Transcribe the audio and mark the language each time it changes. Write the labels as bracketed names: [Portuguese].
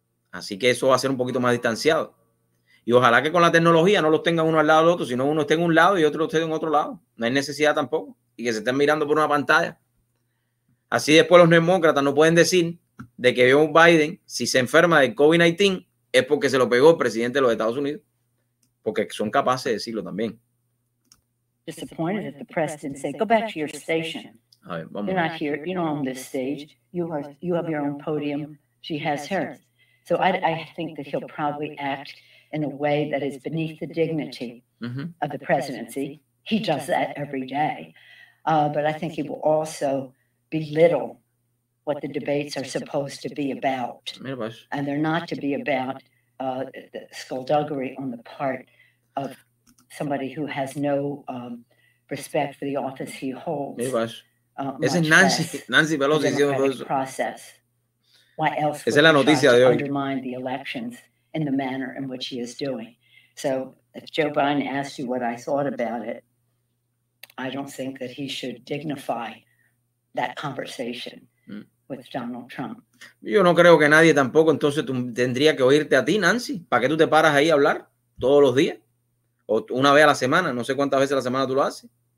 [Spanish] Así que eso va a ser un poquito más distanciado. Y ojalá que con la tecnología no los tengan uno al lado del otro, sino uno esté en un lado y otro esté en otro lado. No hay necesidad tampoco. Y que se estén mirando por una pantalla. Así después los demócratas no pueden decir de que Joe Biden, si se enferma del COVID-19, es porque se lo pegó el presidente de los Estados Unidos. Porque son capaces de decirlo también. [English] Disappointed at the press and say, go back to your station. You're not here. You don't own this stage. You have your own podium. She has hers. So I think that he'll probably act in a way that is beneath the dignity of the presidency. He does that every day. But I think he will also belittle what the debates are supposed to be about. And they're not to be about the skullduggery on the part of somebody who has no respect for the office he holds. [Spanish] Esa es Nancy Pelosi diciendo eso. [English] Process. Why else [Spanish] esa es la noticia de hoy. [English] Undermine the elections in the manner in which he is doing. So if Joe Biden asked you what I thought about it, I don't think that he should dignify that conversation with Donald Trump. [Spanish] Yo no creo que nadie tampoco entonces tendría que oírte a ti, Nancy. ¿Para qué tú te paras ahí a hablar todos los días? O una vez a la semana, no sé cuántas veces a la semana tú lo haces.